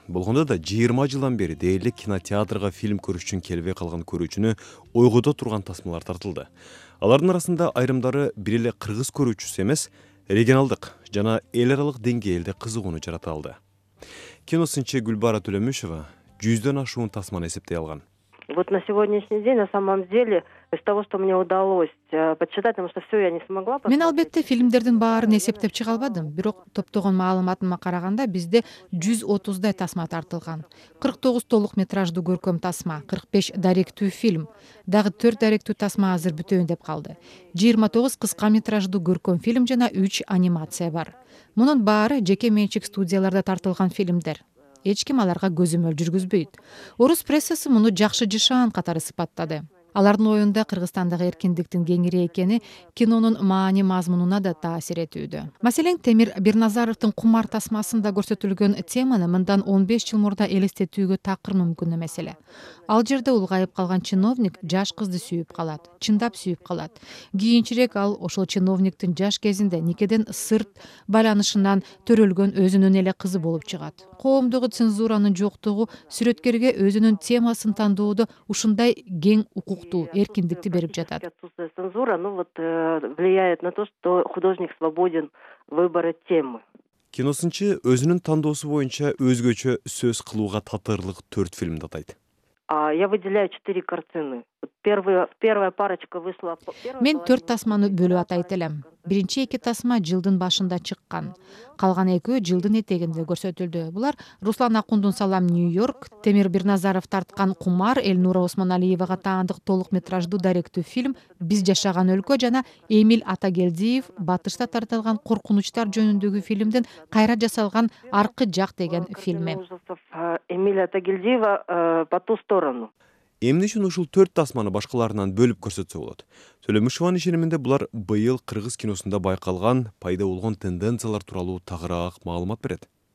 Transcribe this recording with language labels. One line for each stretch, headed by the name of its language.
Kyrgyz: Болгондо да 20 жылдан бери дээрлик кинотеатрга фильм көрүш үчүн келбей калган көрүүчүнү ойгодо турган тасмалар тартылды. Алардын арасында айрымдары бир эле кыргыз көрүүчүсү эмес, регионалдык жана эл аралык деңгээлде кызыгууну жарата алды. Киносунчу Гүлбара Төлөмүшова 100 ашуун тасманы эсептей алган.
Russian: Вот на сегодняшний день на самом деле из того, что мне удалось подсчитать, потому что всё я не смогла.
Kyrgyz: Мен албетте фильмдердин баарын эсептеп чыга албадым, бирок топтогон маалыматыма караганда бизде 130 тасма тартылган. 49 толук метраждуу көркөм тасма, 45 даректүү фильм, дагы 4 даректүү тасма азыр бүтөйүн деп калды. 29 кыска метраждуу көркөм фильм жана 3 анимация бар. Мунун баары жеке менчик студияларда тартылган фильмдер. Эч ким аларга көзөмөл жүргүзбөйт. Орус прессасы муну жакшы жышаан катары сыпаттады. Алардын оюнда Кыргызстандагы эркиндиктин кеңири экени кинонун маани мазмунуна да таасир этүүдө. Маселен, Темир Бирназаровдун Кумар тасмасында көрсөтүлгөн теманы мындан 15 жыл мурда элестетүүгө такыр мүмкүн эмес эле. Ал жерде улгайып калган чиновник жаш кызды сүйүп калат, чындап сүйүп калат. Кийинчерээк ал ошол чиновниктин жаш кезинде никеден сырт байланышынан төрөлгөн өзүнүн эле кызы болуп чыгат. Коомдогу цензуранын жоктугу сүрөткерге өзүнүн темасын тандоодо ушундай кең укуктуу эркиндикти берип жатат.
Russian: Цензура, ну вот, влияет на то, что художник свободен выбора темы.
Kyrgyz: Киносунчу өзүнүн тандоосу боюнча өзгөчө сөз кылууга татырлык 4 фильмди атайт.
Russian: Я выделяю 4 картины. Первая парочка вышла.
Kyrgyz: Мен 4 тасманы бөлүп атайт элем. Биринчи 2 тасма жылдын башында чыккан. Калган 2 жылдын этегинде көрсөтүлдү. Булар Руслан Акундун Салам Нью-Йорк, Темир Бирназаров тарткан Кумар, Элнура Осмоналиевага таандык толук метраждуу даректүү фильм Биз жашаган өлкө жана Эмиль Атагелдиев Батышта тартылган коркунучтар жөнүндөгү фильмдин кайра жасалган Аркы жак деген фильми.
Russian: Эмиль Атагелдиева По ту сторону.
Kyrgyz: Эмне үчүн ушул 4 тасманы башкаларынан бөлүп көрсөтсө болот? Төлөмүшованын ишениминде булар быйыл кыргыз киносунда байкалган пайда болгон тенденциялар тууралуу тагыраак маалымат берет.